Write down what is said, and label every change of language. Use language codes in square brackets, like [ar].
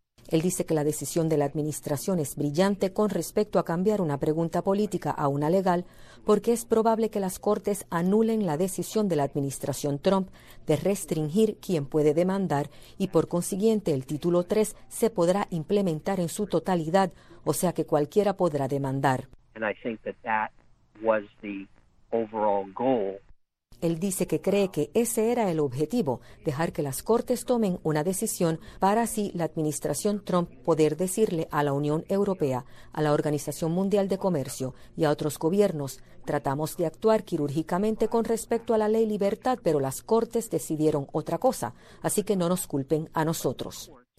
[es] Él dice que la decisión de la administración es brillante con respecto a cambiar una pregunta política a una legal, porque es probable que las cortes anulen la decisión de la administración Trump de restringir quién puede demandar y, por consiguiente, el título 3 se podrá implementar en su totalidad, o sea que cualquiera podrá demandar. [en] And I think that was the overall goal. [es] Él dice que cree que ese era el objetivo, dejar que las cortes tomen una decisión para así la administración Trump poder decirle a la Unión Europea, a la Organización Mundial de Comercio y a otros gobiernos, tratamos de actuar quirúrgicamente con respecto a la ley libertad, pero las cortes decidieron otra cosa, así que no nos culpen a nosotros.